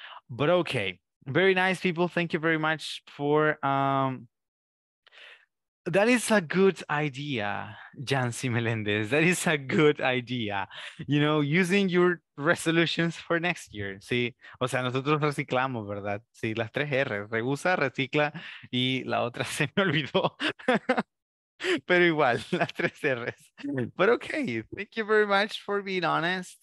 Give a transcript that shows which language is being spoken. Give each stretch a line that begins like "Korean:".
English: But okay, very nice people. Thank you very much for... that is a good idea, Jancy Melendez. That is a good idea. You know, using your resolutions for next year.
Spanish: Sí, o sea, nosotros reciclamos, ¿verdad? Sí, las 3 R, reusa, recicla, y la otra se me olvidó. Pero igual, las 3 R's.
English: But okay, thank you very much for being honest.